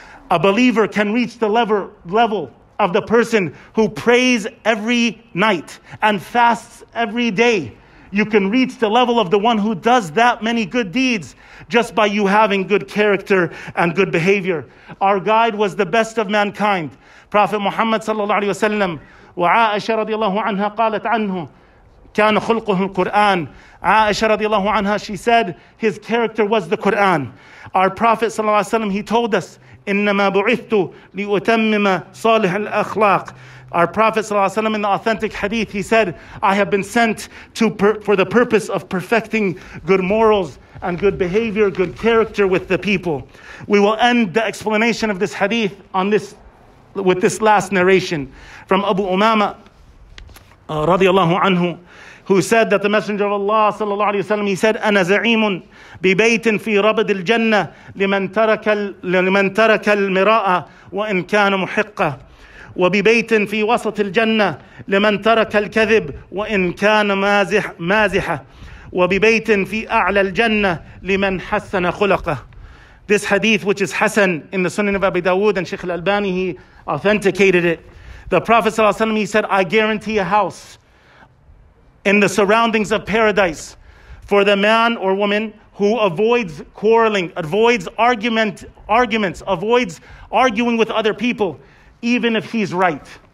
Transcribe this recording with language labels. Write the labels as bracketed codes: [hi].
[en] A believer can reach the level of the person who prays every night and fasts every day. You can reach the level of the one who does that many good deeds just by you having good character and good behavior. Our guide was the best of mankind, Prophet Muhammad sallallahu alayhi wa sallam. [ar] وعائشة رضي الله عنها قالت عنه كان خلقه القرآن. عائشة رضي الله عنها, [en] she said, his character was the Quran. Our Prophet [ar] صلى الله عليه وسلم, [en] he told us, [ar] إنما بعثت لأتمم صالح الأخلاق. [en] Our Prophet [ar] صلى الله عليه وسلم, [en] in the authentic hadith, he said, I have been sent to for the purpose of perfecting good morals and good behavior, good character with the people. We will end the explanation of this hadith on this, with this last narration from Abu Umama radiallahu anhu, who said that the Messenger of Allah sallallahu alayhi wa sallam, he said, [ar] أنا زعيم ببيت في ربد الجنة لمن ترك المراء وإن كان محقا وببيت في وسط الجنة لمن ترك الكذب وإن كان مازحا وببيت في أعلى الجنة لمن حسن خلقه. [en] This hadith, which is Hassan in the Sunan of Abi Dawood, and Sheikh al-Albani, he authenticated it. The Prophet ﷺ, he said, I guarantee a house in the surroundings of paradise for the man or woman who avoids quarreling, avoids arguments, avoids arguing with other people, even if he's right.